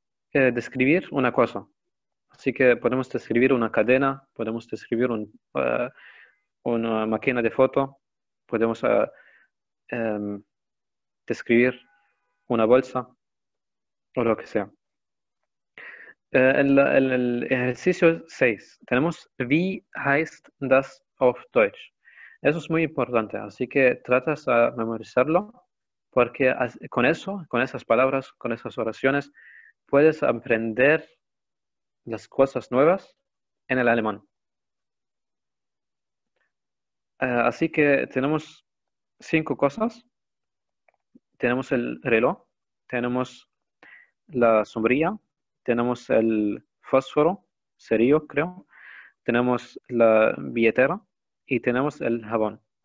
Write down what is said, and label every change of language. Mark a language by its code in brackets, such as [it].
[es] Describir una cosa. Así que podemos describir una cadena, podemos describir una máquina de foto, podemos describir una bolsa o lo que sea. El ejercicio 6, tenemos [de] Wie heißt das auf Deutsch? [es] Eso es muy importante, así que tratas de memorizarlo porque con eso, con esas palabras, con esas oraciones, puedes aprender las cosas nuevas en el alemán. Así que tenemos cinco cosas. Tenemos el reloj, tenemos la sombrilla, tenemos el fósforo, cerillo, creo, tenemos la billetera y tenemos el jabón.